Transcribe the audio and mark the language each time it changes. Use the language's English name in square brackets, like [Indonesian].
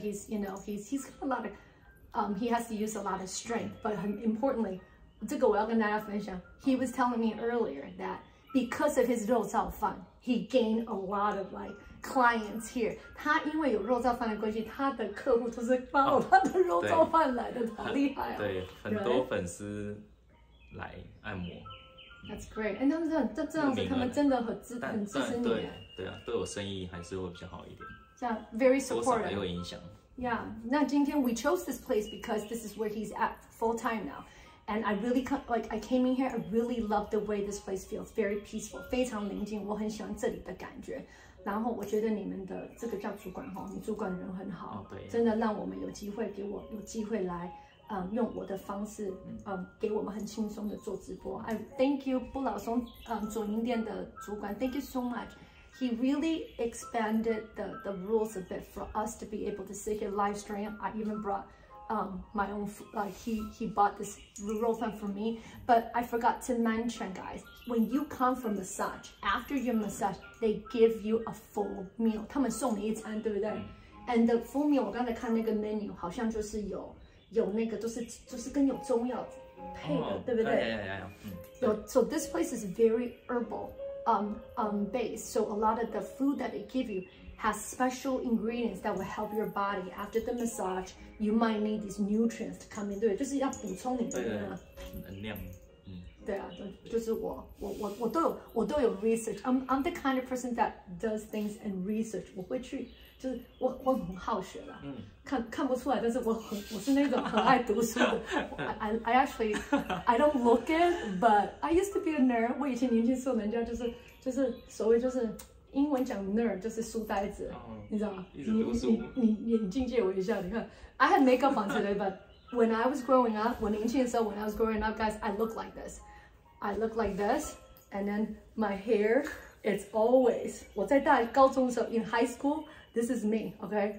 [English] He's you know he's got a lot of. He has to use a lot of strength, but importantly, [Chinese] 这个我要跟大家分享 [English] He was telling me earlier that because of his 肉燥饭 he gained a lot of like clients here. [Chinese] 他因为有肉燥饭的关系，他的客户都是帮我他的肉燥饭来的，好厉害哦！对，很多粉丝来按摩。 [English] That's great. And [Chinese] 他们这样子，他们真的很支持你。对对啊，对我生意还是会比较好一点。 [English] Yeah, very supportive. [Chinese] 多少有影响。 [English] Yeah, [Chinese] 那今天 [English] we chose this place because this is where he's at full time now. And I really, I came in here, I really love the way this place feels. Very peaceful, [Chinese] 非常宁静，我很喜欢这里的感觉。然后我觉得你们的这个叫主管，你主管人很好，真的让我们有机会，给我有机会来用我的方式给我们很轻松的做直播。 [English] I thank you, [Chinese] 布老松左营店的主管 [English] thank you so much. He really expanded the rules a bit for us to be able to sit here live stream. I even brought my own, he bought this rural fan for me. But I forgot to mention, guys, when you come for massage, after your massage, they give you a full meal. [Chinese] 他们送你一餐对不对 [English] And the full meal, [Chinese] 我刚才看那个 menu, 好像就是有那个就是跟有中药配的、 oh, 对不对 [English] yeah. So this place is very herbal. Base. So a lot of the food that they give you has special ingredients that will help your body after the massage. You might need these nutrients to come in. [Chinese] 对，就是要补充你的能量。对啊，就是我都有 research. [English] I'm the kind of person that does things and research. [Chinese] 我会去，就是我很好学啦。看不出来，但是我是那种很爱读书的。 [English] I don't look it, but I used to be a nerd. [Chinese] 我以前年轻时候，人家就是所谓就是英文讲 nerd 就是书呆子， oh, 你知道吗？你眼睛借我一下，你看 [English] ，I had makeup on today, but when I was growing up, [Chinese] 我年轻的时候 [English] when I was growing up, guys, I looked like this. And then my hair It's always [Chinese] 我在大高中的时候 [English] in high school, this is me, okay?